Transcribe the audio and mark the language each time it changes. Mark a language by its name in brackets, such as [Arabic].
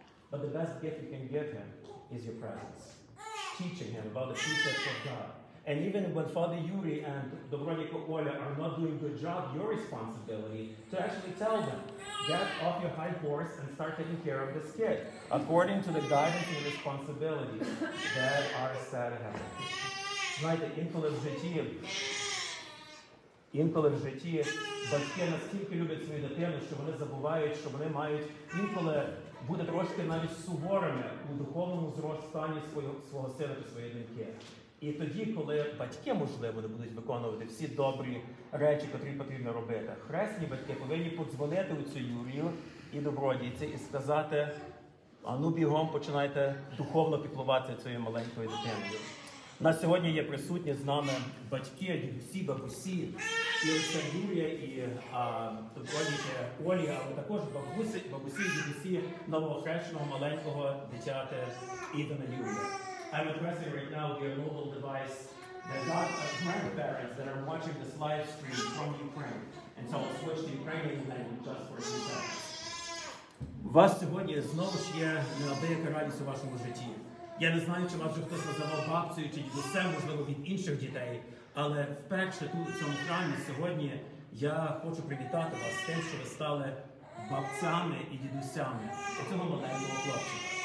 [English] But the best gift you can give him is your presence, teaching him about the precepts of God. And even when Father Yuri and Dobronika Olya are not doing a good job, your responsibility to actually tell them, get off your high horse and start taking care of this kid, according to the guidance and responsibilities that are set ahead of you. Right, the [Ukrainian] інколи в житті батьки настільки люблять свою дитину, що вони забувають, що вони мають інколи бути трошки навіть суворими у духовному зростанні свого сина чи своєї доньки. І тоді, коли батьки, можливо, не будуть виконувати всі добрі речі, котрі потрібно робити, хресні батьки повинні подзвонити у цю Юрію і добродійці і сказати, а ну бігом починайте духовно піклуватися цією маленькою дитиною. На сьогодні є присутні з нами батьки, дідусі, бабусі, і оця Юрія, і Добродійка Олія, але також бабусі, дідусі новоохрещеного маленького дитяти Ідона Юрія. [English] I'm addressing right now your mobile device that got grandparents that are watching this live stream from Ukraine. And so I'll switch to Ukrainian language just for a few seconds. [Ukrainian] У вас сьогодні знову ж є неабияка радість у вашому житті. Я не знаю, чи вас вже хтось називав бабцею, чи все, можливо, від інших дітей, але вперше тут, у цьому храмі, сьогодні я хочу привітати вас з тим, що ви стали бабцями і дідусями оцього маленького хлопчика.